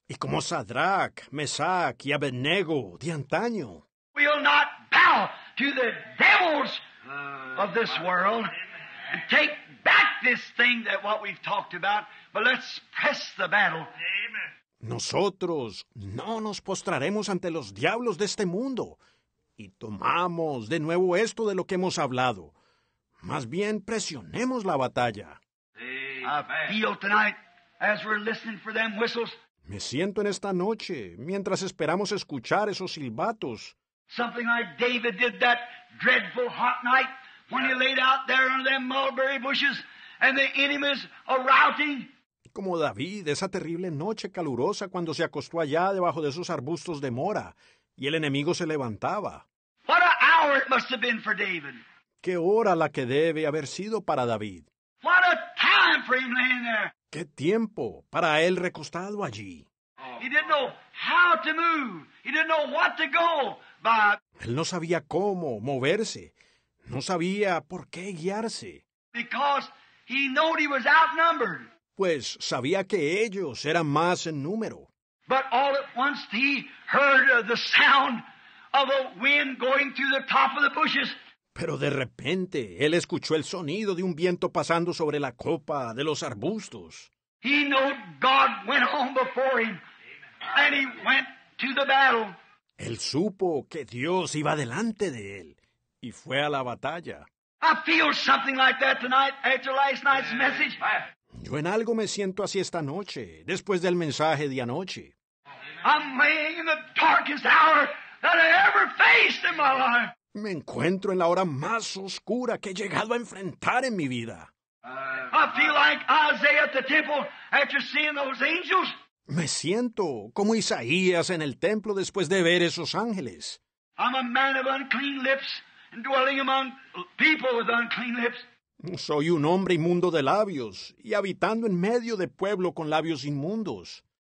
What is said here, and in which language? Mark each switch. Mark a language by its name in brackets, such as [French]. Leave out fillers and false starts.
[Spanish] Y como Sadrach, Meshach y Abednego de antaño. [English] We'll not bow to the devils of this world and take back this thing that what we've talked about, but let's press the battle. [Spanish] Nosotros no nos postraremos ante los diablos de este mundo y tomamos de nuevo esto de lo que hemos hablado. Más bien presionemos la batalla. [English] I feel tonight as we're listening for them whistles. [Spanish] Me siento en esta noche mientras esperamos escuchar esos silbatos. [English] Something like David did that dreadful hot night when he laid out there under them mulberry bushes and the enemies are routing. [Spanish] Como David, esa terrible noche calurosa cuando se acostó allá debajo de esos arbustos de mora y el enemigo se levantaba. [English] What an hour it must have been for David. [Spanish] Qué hora la que debe haber sido para David. [English] What a time for him laying there. [Spanish] Qué tiempo para él recostado allí. [English] He didn't know how to move. He didn't know what to go. But [Spanish] él no sabía cómo moverse, no sabía por qué guiarse. [English] Because he knew he was outnumbered. [Spanish] Pues sabía que ellos eran más en número. [English] But all at once he heard the sound of a wind going through the top of the bushes. [Spanish] Pero de repente él escuchó el sonido de un viento pasando sobre la copa de los arbustos. [English] He knew God went on before him, and he went to the battle. [Spanish] Él supo que Dios iba delante de él y fue a la batalla. [English] I feel something like that tonight after last night's message. [Spanish] Yo en algo me siento así esta noche, después del mensaje de anoche. [English] I'm laying in the darkest hour that I ever faced in my life. [Spanish] Me encuentro en la hora más oscura que he llegado a enfrentar en mi vida. [English] I feel like Isaiah at the temple after seeing those angels. [Spanish] Me siento como Isaías en el templo después de ver esos ángeles. [English] I'm a man of unclean lips and dwelling among people with unclean lips. [Spanish] Soy un hombre inmundo de labios y habitando en medio de pueblo con labios inmundos.